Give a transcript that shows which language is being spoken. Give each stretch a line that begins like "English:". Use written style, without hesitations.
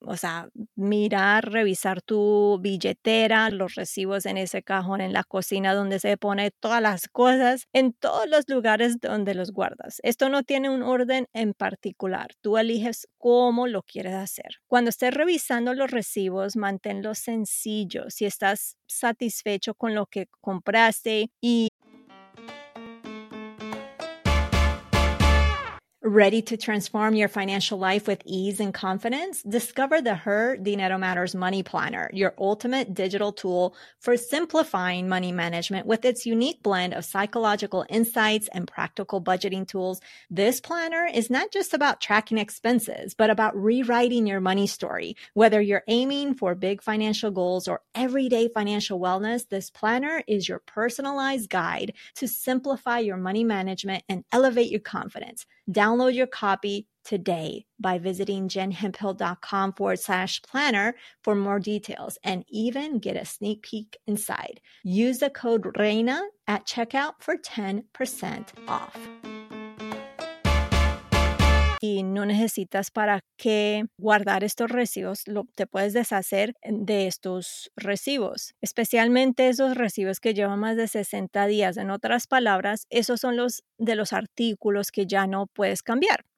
Spanish: O sea, mirar, revisar tu billetera, los recibos en ese cajón en la cocina donde se pone todas las cosas, en todos los lugares donde los guardas. Esto no tiene un orden en particular. Tú eliges cómo lo quieres hacer. Cuando estés revisando los recibos, manténlos sencillos. Si estás satisfecho con lo que compraste y...
English: Ready to transform your financial life with ease and confidence? Discover the Her Dinero Matters Money Planner, your ultimate digital tool for simplifying money management with its unique blend of psychological insights and practical budgeting tools. This planner is not just about tracking expenses, but about rewriting your money story. Whether you're aiming for big financial goals or everyday financial wellness, this planner is your personalized guide to simplify your money management and elevate your confidence. Download your copy today by visiting jenhemphill.com/planner for more details and even get a sneak peek inside. Use the code REINA at checkout for 10% off.
Spanish: Y no necesitas para qué guardar estos recibos, te puedes deshacer de estos recibos, especialmente esos recibos que llevan más de 60 días. En otras palabras, esos son los de los artículos que ya no puedes cambiar.